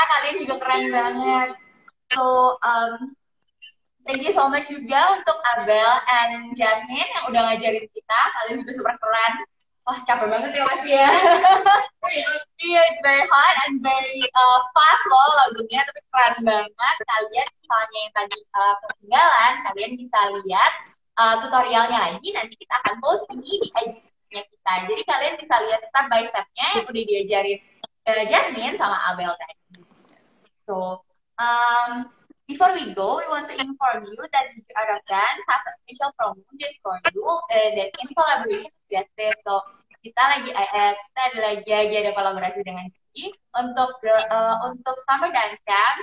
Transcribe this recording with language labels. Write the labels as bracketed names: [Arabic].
[Indonesian] Kalian juga keren banget. So, [English] thank you so much [Indonesian] juga untuk Abelle and Jasmine yang udah ngajarin kita. Kalian juga super keren. Wah, capek banget ya pasti ya. Iya, yeah, [English] it's very hot and very fast [Indonesian] loh lagunya, tapi keren banget. Kalian misalnya yang tadi ketinggalan, kalian bisa lihat tutorialnya lagi. Nanti kita akan post ini di IG-nya kita. Jadi kalian bisa lihat step by step-nya yang udah diajarin Jasmine sama Abelle tadi. [English] So, before we go, we want to inform you that we are done, have a special promo just for you, that in collaboration with Jasmine. [Indonesian] So, kita lagi ada kolaborasi dengan Gigi untuk summer dance camp.